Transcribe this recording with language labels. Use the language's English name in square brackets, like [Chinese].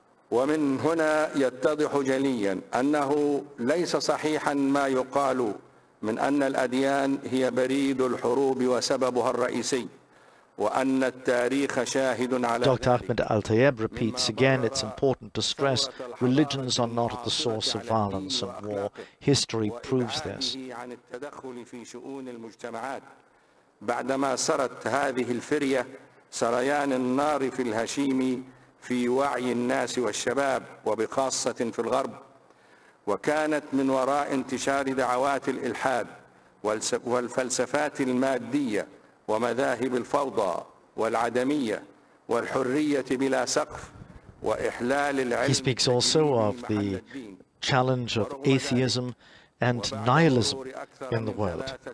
[Arabic] ومن هنا يتضح جليا أنه ليس صحيحا ما يقال من أن الأديان هي بريد الحروب وسببها الرئيسي وأن التاريخ شاهد على [English] Dr. Ahmed Al-Tayeb repeats again, it's important to stress, religions are not at the source of violence and war. History proves this. [Arabic] عن التدخل في شؤون المجتمعات بعدما سرت هذه الفرية سريان النار في الهشيم في وعي الناس والشباب وبخاصة في الغرب وكانت من وراء انتشار دعوات الإلحاد والفلسفات المادية ومذاهب الفوضى والعدمية والحرية بلا سقف وإحلال العلم. [English] He speaks also of the challenge of atheism and nihilism in the world.